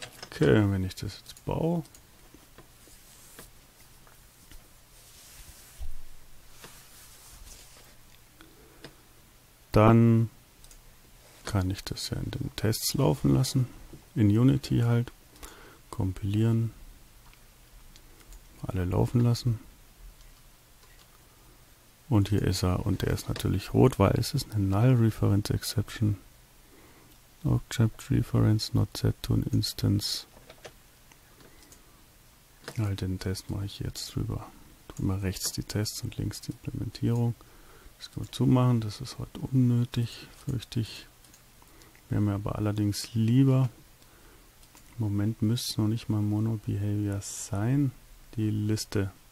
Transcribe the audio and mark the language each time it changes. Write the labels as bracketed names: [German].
[German] Okay, wenn ich das jetzt baue, dann kann ich das ja in den Tests laufen lassen, in Unity halt, kompilieren, alle laufen lassen. Und hier ist er und der ist natürlich rot, weil es ist eine Null Reference Exception. [English] Object Reference not set to an instance. [German] Den Test mache ich jetzt drüber. Drüber rechts die Tests und links die Implementierung. Das kann man zumachen, das ist heute unnötig, fürchte ich. Wäre mir aber allerdings lieber. Im Moment müsste noch nicht mal Mono Behavior sein. Die Liste.